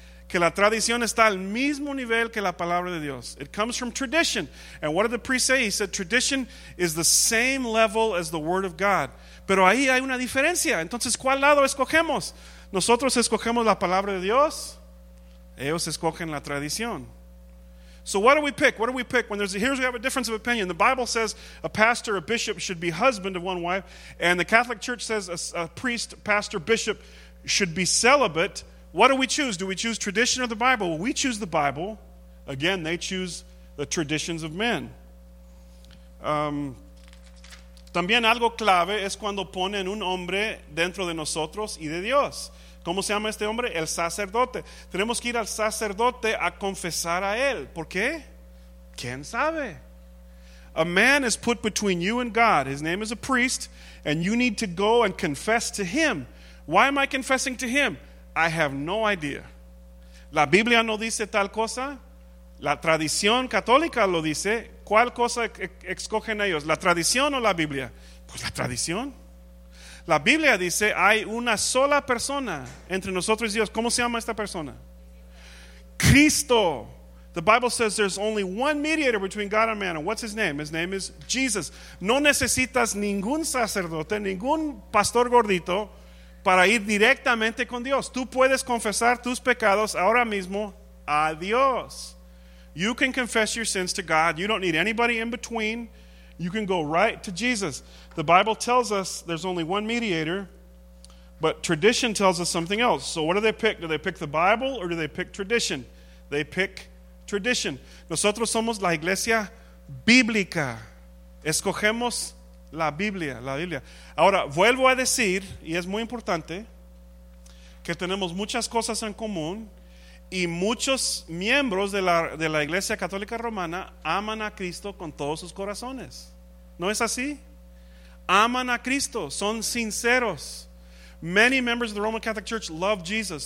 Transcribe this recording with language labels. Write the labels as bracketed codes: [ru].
[es] Que la tradición está al mismo nivel que la palabra de Dios. [en] It comes from tradition. And what did the priest say? He said tradition is the same level as the word of God. [es] Pero ahí hay una diferencia. Entonces, ¿cuál lado escogemos? ¿Nosotros escogemos la palabra de Dios? Ellos escogen la tradición. [en] So what do we pick? What do we pick? Here we have a difference of opinion. The Bible says a pastor, a bishop should be husband of one wife. And the Catholic Church says a priest, pastor, bishop should be celibate. What do we choose? Do we choose tradition or the Bible? Well, we choose the Bible. Again, they choose the traditions of men. [es] También algo clave es cuando ponen un hombre dentro de nosotros y de Dios. ¿Cómo se llama este hombre? El sacerdote. Tenemos que ir al sacerdote a confesar a él. ¿Por qué? ¿Quién sabe? [en] A man is put between you and God. His name is a priest, and you need to go and confess to him. Why am I confessing to him? I have no idea. [es] La Biblia no dice tal cosa. La tradición católica lo dice. ¿Cuál cosa escogen ellos? ¿La tradición o la Biblia? Pues la tradición. La Biblia dice hay una sola persona entre nosotros y Dios. ¿Cómo se llama esta persona? Cristo. [en] The Bible says there's only one mediator between God and man. And what's his name? His name is Jesus. [es] No necesitas ningún sacerdote, ningún pastor gordito. para ir directamente con Dios. Tú puedes confesar tus pecados ahora mismo a Dios. [en] You can confess your sins to God. You don't need anybody in between. You can go right to Jesus. The Bible tells us there's only one mediator, but tradition tells us something else. So what do they pick? Do they pick the Bible or do they pick tradition? They pick tradition. [es] Nosotros somos la iglesia bíblica. Escogemos la Biblia, la Biblia. Ahora, vuelvo a decir, y es muy importante, que tenemos muchas cosas en común y muchos miembros de la Iglesia Católica Romana aman a Cristo con todos sus corazones. ¿No es así? Aman a Cristo, son sinceros. [en] Many members of the Roman Catholic Church love Jesus.